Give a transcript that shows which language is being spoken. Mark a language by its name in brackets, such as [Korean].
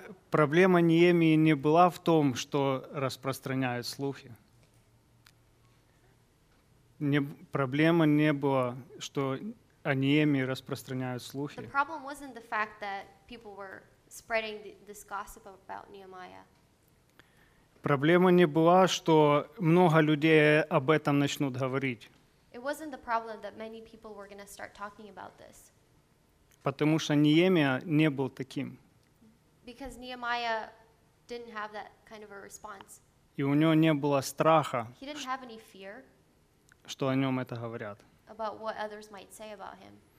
[Russian] Проблема Неемии не была в том, что распространяют слухи. Проблема не была, что о Неемии распространяют слухи. [English] The problem wasn't the fact that people were spreading this gossip about Nehemiah. [Russian] Проблема не была, что много людей об этом начнут говорить. [English] It wasn't the problem that many people were going to start talking about this. [Russian] Потому что Неемия не был таким. [English] Because Nehemiah didn't have that kind of a response. [Russian] И у него не было страха. [English] He didn't have any fear. [Russian] Что о нем это говорят. [English] About what others might say about him.